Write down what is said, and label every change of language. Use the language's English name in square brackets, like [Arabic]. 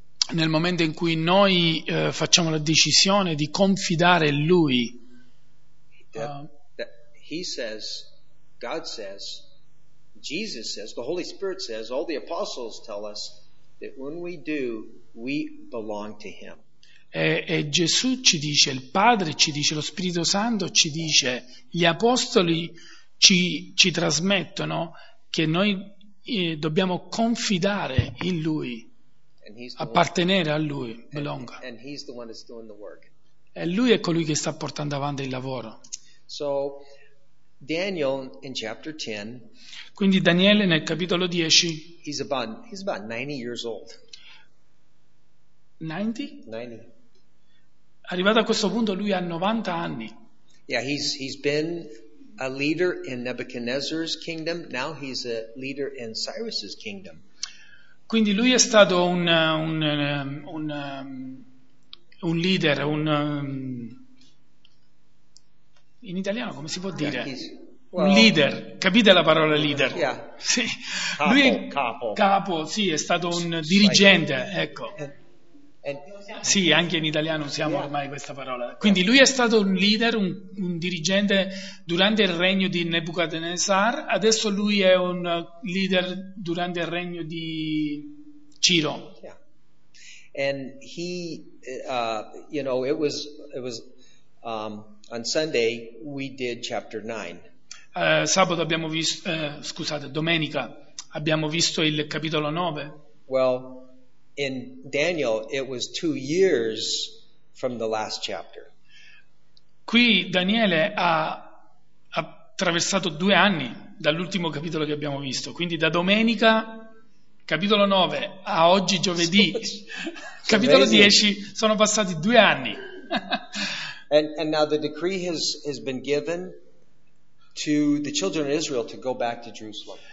[Italian] Nel momento in cui noi facciamo la decisione di confidare in lui, [English] He says, God says, Jesus says, the Holy Spirit says, all the apostles tell us that when we do, we belong to him. [Italian] e Gesù ci dice, il Padre ci dice, lo Spirito Santo ci dice, gli apostoli ci trasmettono che noi dobbiamo confidare in Lui, appartenere a Lui, belonga. [English] And he's the one that's doing the work. [Italian] E Lui è colui che sta portando avanti il lavoro. [English] So, Daniel in chapter 10, [Italian] Quindi Daniele nel capitolo 10. [English] he's about 90 years old. 90? 90. [Italian] arrivato a questo punto lui ha 90 anni. [English] Yeah, he's been a leader in Nebuchadnezzar's kingdom, now he's a leader in Cyrus's kingdom. [Italian] Quindi lui è stato un leader, un in italiano come si può dire? Well, un leader, capite la parola leader? [English] Yeah. [Italian] Sì. Capo, lui è capo. Capo, sì, è stato un dirigente, ecco. Sì, anche in italiano usiamo ormai questa parola. Quindi lui è stato un leader, un dirigente durante il regno di Nebuchadnezzar, adesso lui è un leader durante il regno di Ciro. [English] Yeah. And he you know, it was on Sunday we did chapter 9. [Italian] Sabato abbiamo visto scusate, domenica abbiamo visto il capitolo 9. [English] Well, in Daniel it was 2 years from the last chapter. [Italian] Qui Daniele ha attraversato 2 anni dall'ultimo capitolo che abbiamo visto, quindi da domenica capitolo 9 a oggi giovedì capitolo 10 sono passati 2 anni. [English] and now the decree has been given to the children of Israel to go back to Jerusalem.